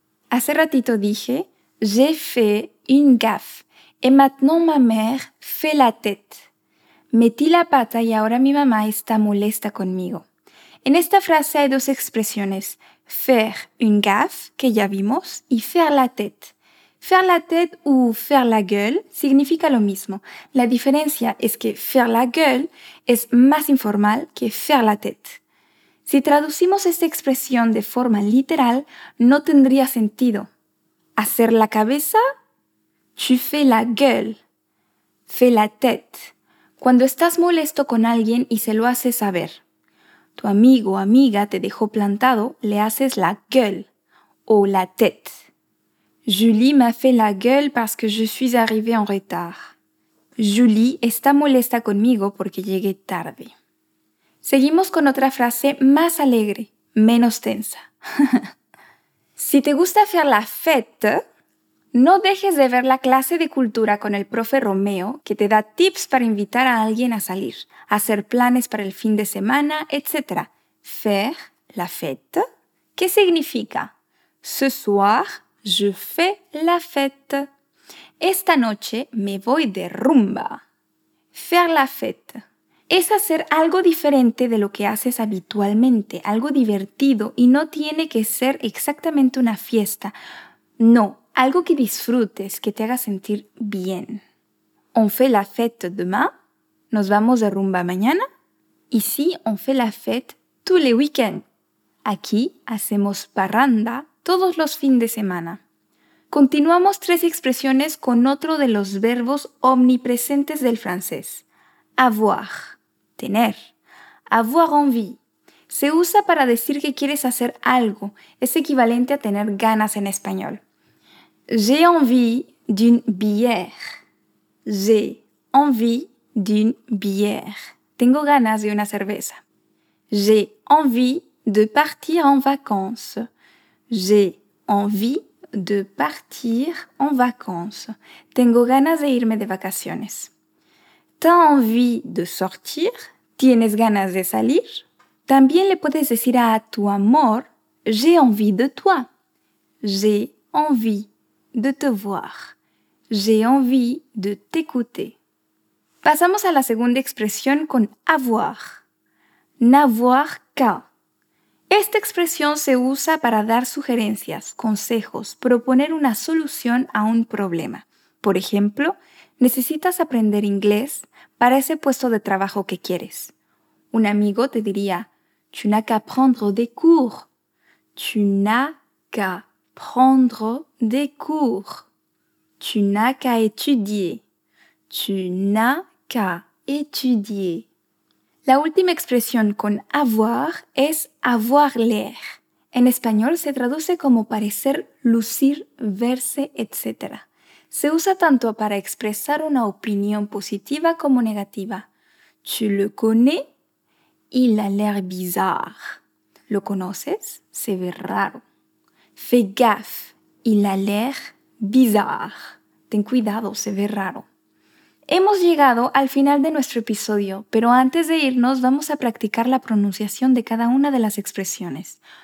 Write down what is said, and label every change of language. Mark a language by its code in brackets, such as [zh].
[es] Hace ratito dije, [fr] j'ai fait une gaffe et maintenant ma mère fait la tête. [es] Metí la pata y ahora mi mamá está molesta conmigo. En esta frase hay dos expresiones, [fr] faire une gaffe, [es] que ya vimos, y [fr] faire la tête. Faire la tête o faire la gueule [es] significa lo mismo. La diferencia es que [fr] faire la gueule [es] es más informal que [fr] faire la tête. [es] Si traducimos esta expresión de forma literal, no tendría sentido. ¿Hacer la cabeza? [fr] Tu fais la gueule. Fais la tête. [es] Cuando estás molesto con alguien y se lo haces saber. Tu amigo o amiga te dejó plantado, le haces la gueule o la tête. [fr] Julie m'a fait la gueule parce que je suis arrivée en retard. [es] Julie está molesta conmigo porque llegué tarde. Seguimos con otra frase más alegre, menos tensa. Si te gusta hacer la fête, no dejes de ver la clase de cultura con el profe Romeo, que te da tips para invitar a alguien a salir, hacer planes para el fin de semana, etc. [fr] Faire la fête. [es] ¿Qué significa? [fr] Ce soir, je fais la fête. [es] Esta noche me voy de rumba. [fr] Faire la fête [es] es hacer algo diferente de lo que haces habitualmente, algo divertido, y no tiene que ser exactamente una fiesta. No, algo que disfrutes, que te haga sentir bien. [fr] On fait la fête demain. [es] Nos vamos de rumba mañana. [fr] Ici, on fait la fête tous les week-ends. [es] Aquí, hacemos parranda todos los fines de semana. Continuamos tres expresiones con otro de los verbos omnipresentes del francés. Avoir. Tener. [fr] Avoir envie. [es] Se usa para decir que quieres hacer algo. Es equivalente a tener ganas en español. [fr] J'ai envie d'une bière. J'ai envie d'une bière. [es] Tengo ganas de una cerveza. [fr] J'ai envie de partir en vacances. J'ai envie de partir en vacances. [es] Tengo ganas de irme de vacaciones. [fr] T'as envie de sortir. [es] Tienes ganas de salir. También le puedes decir a tu amor, [fr] j'ai envie de toi. J'ai envie de te voir. J'ai envie de t'écouter. [es] Pasamos a la segunda expresión con avoir. [fr] N'avoir qu'à. [es] Esta expresión se usa para dar sugerencias, consejos, proponer una solución a un problema. Por ejemplo, necesitas aprender inglés para ese puesto de trabajo que quieres. Un amigo te diría, [fr] tu n'as qu'à prendre des cours. Tu n'as qu'à prendre des cours. Tu n'as qu'à étudier. Tu n'as qu'à étudier. [es] La última expresión con avoir es [fr] avoir l'air. [es] En español se traduce como parecer, lucir, verse, etc. Se usa tanto para expresar una opinión positiva como negativa. [fr] Tu le connais? Il a l'air bizarre. [es] ¿Lo conoces? Se ve raro. [fr] Fais gaffe, il a l'air bizarre. [es] Ten cuidado, se ve raro. Hemos llegado al final de nuestro episodio, pero antes de irnos vamos a practicar la pronunciación de cada una de las expresiones.